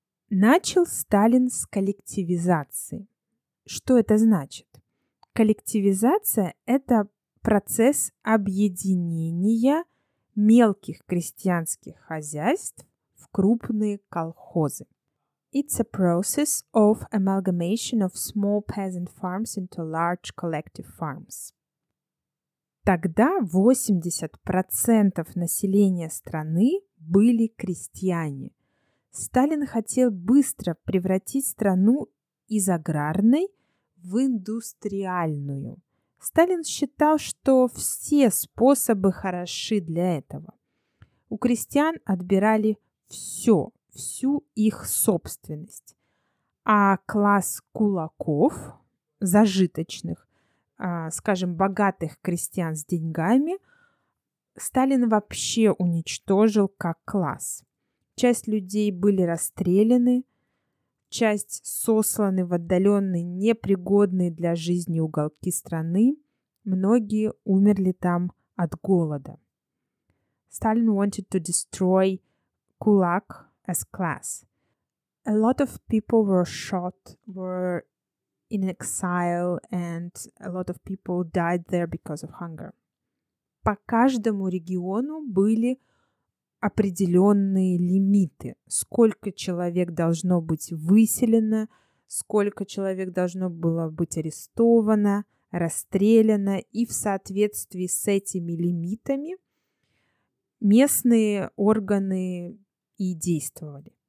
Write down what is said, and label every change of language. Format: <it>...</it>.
<ru>Начал Сталин с коллективизации. Что это значит? Коллективизация – это процесс объединения мелких крестьянских хозяйств в крупные колхозы.</ru> <en>It's a process of amalgamation of small peasant farms into large collective farms.</en> <ru>Тогда 80% населения страны были крестьяне. Сталин хотел быстро превратить страну из аграрной в индустриальную. Сталин считал, что все способы хороши для этого. У крестьян отбирали все, всю их собственность. а класс кулаков, зажиточных, скажем, богатых крестьян с деньгами, Сталин вообще уничтожил как класс. Часть людей были расстреляны, часть сосланы в отдаленные, непригодные для жизни уголки страны. Многие умерли там от голода.</ru> <en>Stalin wanted to destroy kulak as class. A lot of people were shot, were in exile, and a lot of people died there because of hunger.</en> <ru>По каждому региону были определенные лимиты. Сколько человек должно быть выселено, сколько человек должно было быть арестовано, расстреляно. И в соответствии с этими лимитами местные органы и действовали.</ru>